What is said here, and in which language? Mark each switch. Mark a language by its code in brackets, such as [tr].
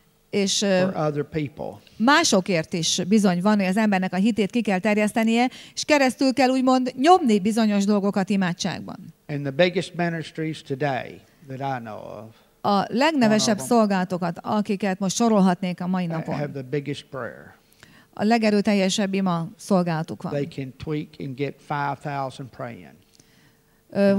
[hu] És [en] for other people. [hu] Másokért is bizony van, hogy az embernek a hitét ki kell terjesztenie, és keresztül kell úgymond nyomni bizonyos dolgokat imádságban. [en] And the biggest ministries today that I know of, [hu] a legnevesebb szolgálatokat, akiket most sorolhatnék a mai napon, [en] have the biggest prayer. [hu] A legerőteljesebb ima szolgálatuk van. [en] They can tweak and get 5,000 praying.